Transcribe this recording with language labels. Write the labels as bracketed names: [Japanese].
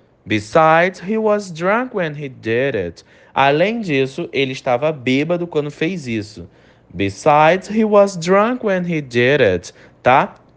[English] Besides, he was drunk when he did it. [Portuguese] Além disso, ele estava bêbado quando fez isso. [English] Besides, he was drunk when he did it, tá?